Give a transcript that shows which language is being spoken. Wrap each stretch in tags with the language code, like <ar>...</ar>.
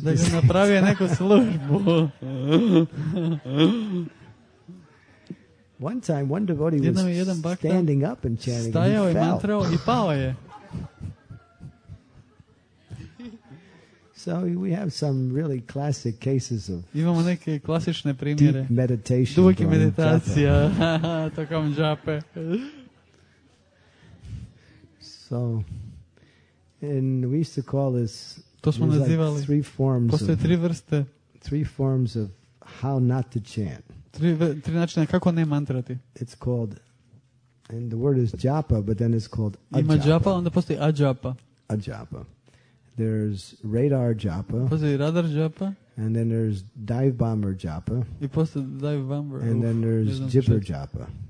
<bs>Da je napravio neku službu.</bs> <en>One time one devotee was standing up and chanting.</en> <bs>Stajao i mantrao i pao je.</bs> <en>So we have some really classic cases of</en> <bs>imamo neke klasične primjere</bs> <en>deep meditation,</en> <bs>duboke meditacije tokom džape.</bs> <en>So and we used to call this</en> <bs>to smo nazivali</bs> <en>like three forms</en> <bs>postoje tri vrste</bs> <en>three forms of how not to chant.</en> <bs>Tri načina kako ne mantrati.</bs> <en>It's called, and the word is japa, but then it's called</en> <bs>ajapa. Ima japa, onda postoji ajapa.</bs> <en>Ajapa. There's radar japa.</en> <bs>Postoji radar japa.</bs> <en>And then there's dive bomber japa.</en> <bs>I postoji dive bomber.</bs> <en>And then there's jibber japa.</en>